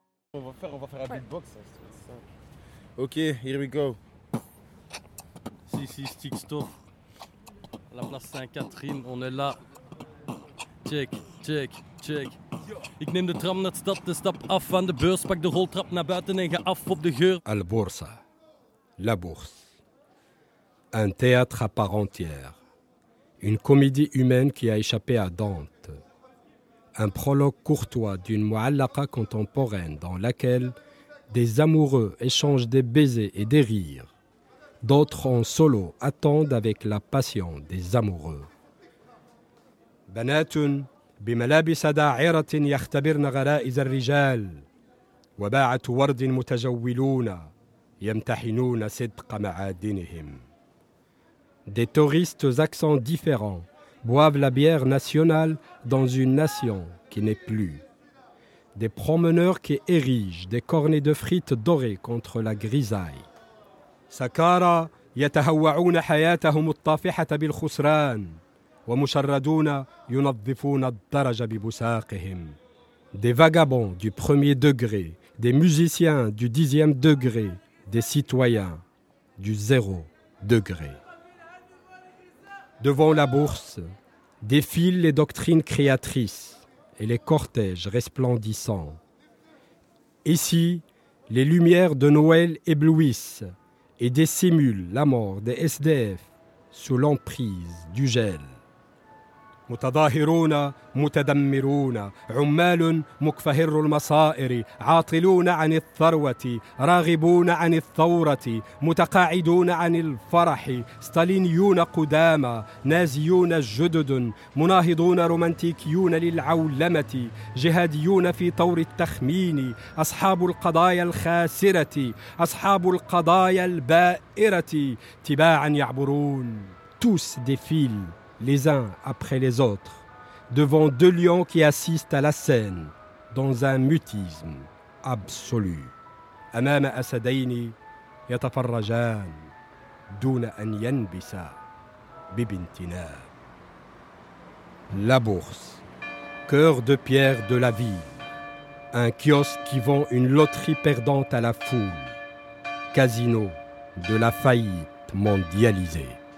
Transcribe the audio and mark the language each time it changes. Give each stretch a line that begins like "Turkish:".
French: On va faire un beatbox.
English: Ok, here we go.
French: Si, si, stick store. La place Sainte-Catherine, on est là. Check, check, check.
Dutch: Ik neem de tram naar de stad, de stap af van de beurs. Pak de roltrap naar buiten en ga af op de geur.
French: Al Borsa, la Bourse. Un théâtre à part entière. Une comédie humaine qui a échappé à Dante. Un prologue courtois d'une mu'allaqa contemporaine dans laquelle des amoureux échangent des baisers et des rires. D'autres en solo attendent avec la passion des amoureux.
Arabic: بنات بملابس داعرة يختبرن غرائز الرجال وباعة ورد متجولون يمتحنون صدق معادنهم.
French: Des touristes accents différents boivent la bière nationale dans une nation qui n'est plus. Des promeneurs qui érigent des cornets de frites dorées contre la grisaille.
Arabic: سكارى يتهوعون حياتهم الطافحة بالخسران ومشردون ينظفون الدرج ببساقهم.
French: Des vagabonds du premier degré, des musiciens du dixième degré, des citoyens du zéro degré. Devant la bourse, défilent les doctrines créatrices et les cortèges resplendissants. Ici, les lumières de Noël éblouissent et dissimulent la mort des SDF sous l'emprise du gel.
Arabic: متظاهرون متدمرون عمال مكفهر المصائر عاطلون عن الثروة راغبون عن الثورة متقاعدون عن الفرح ستالينيون قدامى نازيون جدد مناهضون رومانتيكيون للعولمة جهاديون في طور التخمين أصحاب القضايا الخاسرة أصحاب القضايا البائرة تباعا يعبرون
French: توس ديفيل les uns après les autres, devant deux lions qui assistent à la scène dans un mutisme absolu.
Arabic: أمام أسدين يتفرجان دون أن ينبسا ببنتنا.
French: La bourse, cœur de pierre de la ville, un kiosque qui vend une loterie perdante à la foule, casino de la faillite mondialisée.